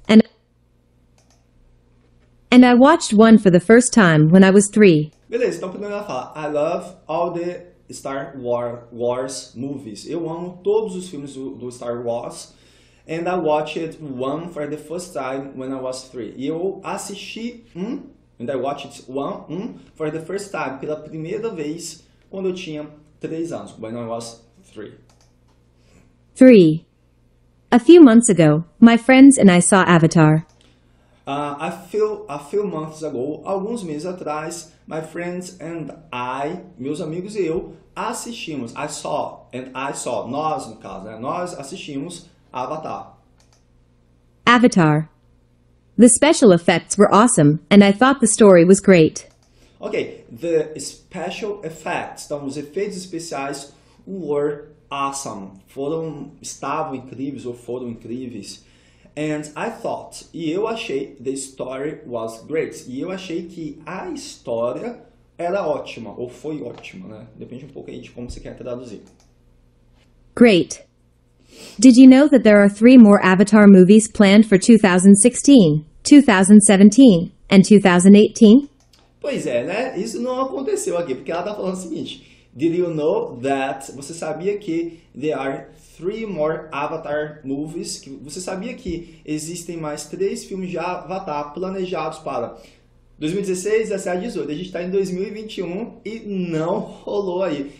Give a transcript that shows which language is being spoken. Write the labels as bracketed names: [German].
[English] And I watched one for the first time when I was 3. [Portuguese] Beleza, então primeiro ela fala, [English] I love all the Star Wars movies. [Portuguese] Eu amo todos os filmes do Star Wars. [English] And I watched one for the first time when I was 3. [Portuguese] E eu assisti [English] and I watched one for the first time, [Portuguese] pela primeira vez, quando eu tinha 3 anos, [English] when I was 3. 3. A few months ago, my friends and I saw Avatar. A few months ago, [Portuguese] alguns meses atrás, [English] my friends and I, [Portuguese] meus amigos e eu, assistimos, [English] I saw, [Portuguese] nós no caso, né? Nós assistimos Avatar. [English] Avatar. The special effects were awesome, and I thought the story was great. Ok, the special effects, [Portuguese] então os efeitos especiais, [English] were awesome. [Portuguese] Estavam incríveis ou foram incríveis. [English] And I thought, [Portuguese] e eu achei, [English] the story was great. [Portuguese] E eu achei que a história era ótima, ou foi ótima, né? Depende um pouco aí de como você quer traduzir. [English] Great. Did you know that there are 3 more Avatar movies planned for 2016, 2017, and 2018? [Portuguese] Pois é, né? Isso não aconteceu aqui, porque ela tá falando o seguinte. [English] Did you know that... [Portuguese] Você sabia que [English] there are 3 more Avatar movies? [Portuguese] Que você sabia que existem mais 3 filmes de Avatar planejados para 2016, 2017, 2018. A gente está em 2021 e não rolou aí.